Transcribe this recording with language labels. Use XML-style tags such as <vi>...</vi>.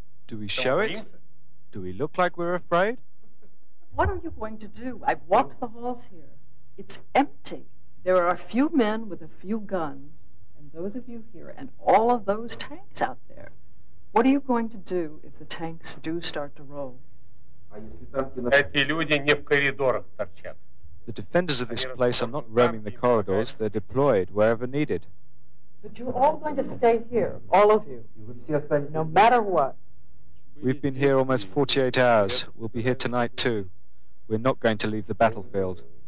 <en>Do we show it? Do we look like we're afraid? What are you going to do? I've walked the halls here. It's empty. There are a few men with a few guns, and those of you here, and all of those tanks out there. What are you going to do if the tanks do start to roll?</en> <ru>Эти люди не в коридорах торчат.</ru> <en>The defenders of this place are not roaming the corridors. They're deployed wherever needed. But you're all going to stay here, all of you, no matter what. We've been here almost 48 hours. We'll be here tonight, too. We're not going to leave the battlefield.</en>